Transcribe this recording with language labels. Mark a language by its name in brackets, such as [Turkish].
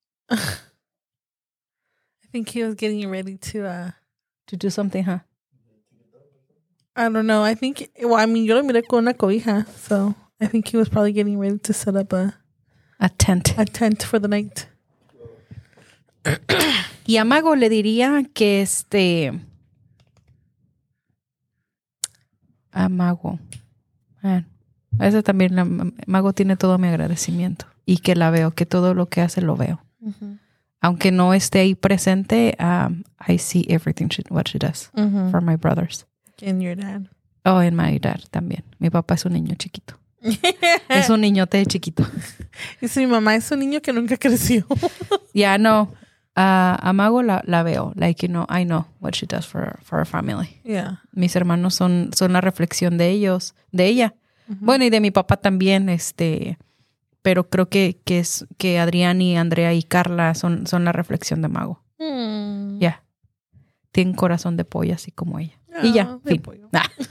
[English] I think he was getting ready to do something, huh? I don't know. [Spanish] Yo lo miré con una cobija. [English] So I think he was probably getting ready to set up a tent. A tent for the night. [Spanish] Y Amago le diría que a Mago. Esa también, Mago tiene todo mi agradecimiento. Y que la veo, que todo lo que hace lo veo. aunque no esté ahí presente, [English] I see everything what she does mm-hmm. for my brothers. And your dad. Oh, and my dad también. [Spanish] Mi papá es un niño chiquito. Es un niñote chiquito. Y si mi mamá es un niño que nunca creció. Yeah, no. Amago la veo. [English] Like, you know, I know what she does for her family. Yeah. [Spanish] Mis hermanos son la reflexión de ellos, de ella. Mm-hmm. Bueno, y de mi papá también, pero creo que Adrián y Andrea y Carla son la reflexión de Mago. Mm. Ya. Yeah. Tiene corazón de pollo, así como ella. Oh, y ya, fin. Nah.